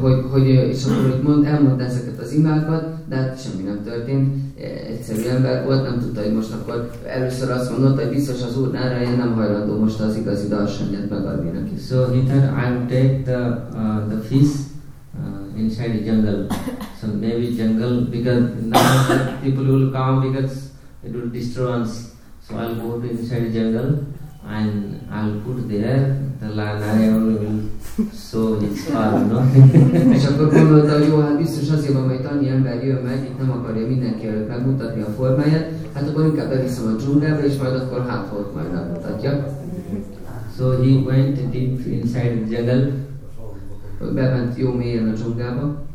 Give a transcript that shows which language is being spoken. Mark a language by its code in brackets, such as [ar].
[hu] Hogy és akkor úgy elmondta ezeket az imákat, de hát semmi nem történt. Egyszerű ember volt, nem tudta, hogy most akkor először azt mondotta, hogy biztos az Úr Narayan nem hajlandó most az igazi darsanyát megadni neki. [en] So he thought, I'll take the fish inside the jungle. So maybe jungle, because now the people will come, because it will destroy us. So I'll go to inside the jungle. And I'll put there, the Narayan will show his fall, no? [hu] És akkor gondolta, hogy jó, hát biztos azért van, mert annyi ember jön meg, itt nem akarja mindenki előtt megmutatni a formáját, hát akkor inkább beviszem a dzsungelbe, és majd akkor hát fogok majd megmutatja. [en] So he went deep inside the jungle. [hu] Bement jó mélyen a dzsungelbe.